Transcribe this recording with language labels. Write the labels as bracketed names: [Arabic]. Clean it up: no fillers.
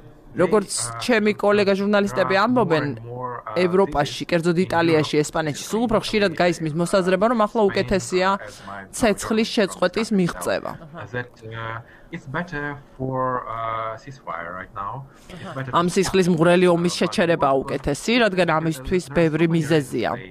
[Georgian] როგორც ჩემი კოლეგა ჟურნალისტები ამბობენ, ევროპაში, კერძოდ იტალიაში, ესპანეთში, სულ უფრო ხშირად გაისმის მოსაზრება, რომ ახლა უკეთესია ცეცხლის შეწყვეტის მიღწევა. [English] It's better for ceasefire right now. [Georgian] ამ სისხლის მღვრელი ომის შეჩერება უკეთესი, რადგან ამისთვის ბევრი მიზეზია.